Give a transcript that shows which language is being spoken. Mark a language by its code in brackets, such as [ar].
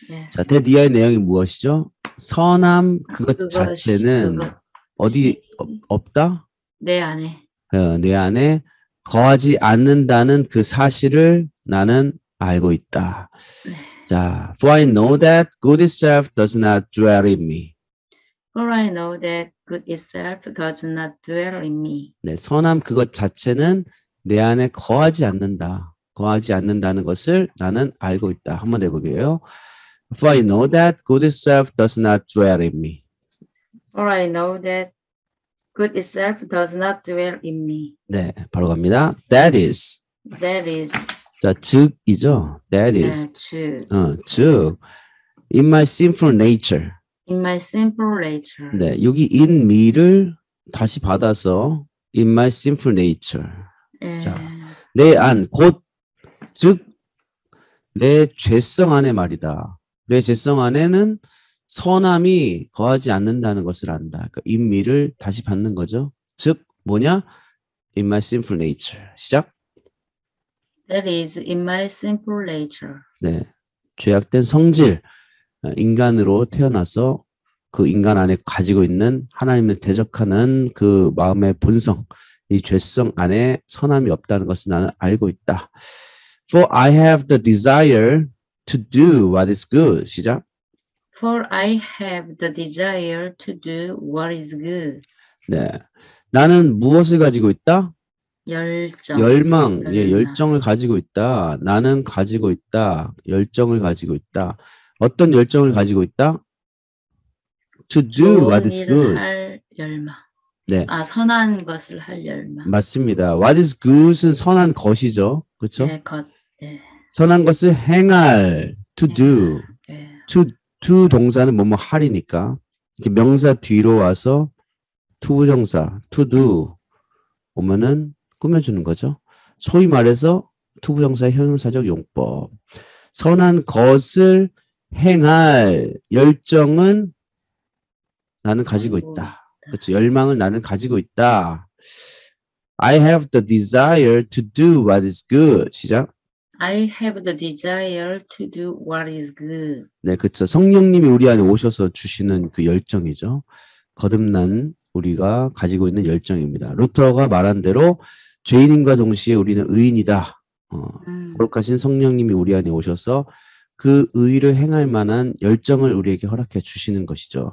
[ko] 자, 데디아의 내용이 무엇이죠? 선함 그것 자체는 그것이 어디 없다? 내 안에. 내 안에 거하지 않는다는 그 사실을 나는 알고 있다. [en] 자, For I know that good itself does not dwell in me. For I know that good itself does not dwell in me. [ko] 네, 선함 그것 자체는 내 안에 거하지 않는다. 거하지 않는다는 것을 나는 알고 있다. 한번 해보게요. [en] For I know that good itself does not dwell in me. For I know that good itself does not dwell in me. [ko] 네, 바로 갑니다. [en] That is. That is. [ko] 자, 즉이죠. [en] That is. [ko] 즉. [en] 즉, in my sinful nature. In my simple nature. [ko] 네, 여기 [en] in me를 [ko] 다시 받아서 [en] in my sinful nature. [ko] 자, 내 안, 곧, 즉, 내 죄성 안에 말이다. 내 죄성 안에는 선함이 거하지 않는다는 것을 안다. 그러니까 인미를 다시 받는 거죠. 즉, 뭐냐? [en] In my sinful nature. 시작. That is in my simple nature. [ko] 네. 죄악된 성질. 인간으로 태어나서 그 인간 안에 가지고 있는 하나님을 대적하는 그 마음의 본성. 이 죄성 안에 선함이 없다는 것을 나는 알고 있다. [en] For I have the desire to do what is good. [ko] 시작. [en] For I have the desire to do what is good. [ko] 네. 나는 무엇을 가지고 있다? 열정, 열망, 예, 열정을 가지고 있다. 나는 가지고 있다. 열정을 가지고 있다. 어떤 열정을 가지고 있다? [en] To do what is [ko] 일을 [en] good. [ko] 할 열망. 네. 아, 선한 것을 할 열망. 맞습니다. [en] What is good [ko] 은 선한 것이죠. 그렇죠? 네, 겉, 네. 선한 것을 행할, to 행할. [en] do. [ko] 투 동사는 뭐뭐 할이니까. 이렇게 명사 뒤로 와서 투 부정사, to do 오면은 꾸며주는 거죠. 소위 말해서 투 부정사의 형용사적 용법. 선한 것을 행할 열정은 나는 가지고 가지고 있다. 그렇죠. 열망을 나는 가지고 있다. [en] I have the desire to do what is good. [ko] 시작. 있다. [en] I have the desire to do what is good. [ko] 네, 그렇죠. 성령님이 우리 안에 오셔서 주시는 그 열정이죠. 거듭난 우리가 가지고 있는 열정입니다. 루터가 말한 대로 죄인과 동시에 우리는 의인이다. 거룩하신 성령님이 우리 안에 오셔서 그 의의를 행할 만한 열정을 우리에게 허락해 주시는 것이죠.